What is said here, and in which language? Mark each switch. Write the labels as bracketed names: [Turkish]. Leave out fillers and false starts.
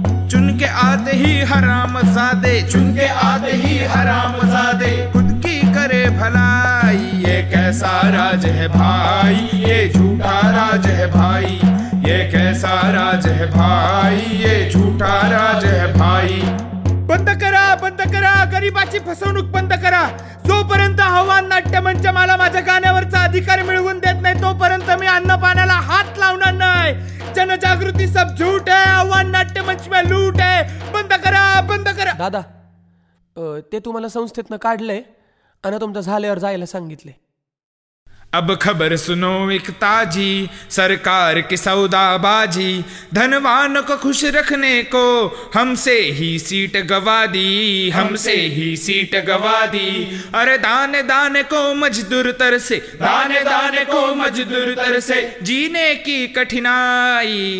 [Hindi] चुनके आते ही हराम जादे, चुनके आते ही हराम जादे, खुद की करे भलाई, ये कैसा राज है भाई, ये झूठा राज है भाई, ये कैसा राज है भाई, ये झूठा राज है भाई। [Marathi] बंद करा गरीबाची फसवणूक बंद करा, जो पर्यंत हवा नाट्यमंच मला माझ्या गाण्यावरचा अधिकार मिळवून देत नाही तो पर्यंत मी अन्न पाण्याला हात लावणार नाही। [Hindi] जनजागृती सब झूठ है, आव्हान नाट्यमंच में लूट है, [Marathi] बंद करा बंद करा। दादा ते तुम्हाला संस्थेतन काढले आणि तुमचं झाल्यावर जायला सांगितले। [Hindi] अब खबर सुनो एक ताजी, सरकार की सौदाबाजी, धनवान को खुश रखने को हमसे ही सीट गवा दी, हमसे ही सीट गवा दी, अरे दाने दाने को मजदूर तरसे, दाने दाने को मजदूर तरसे, जीने की कठिनाई।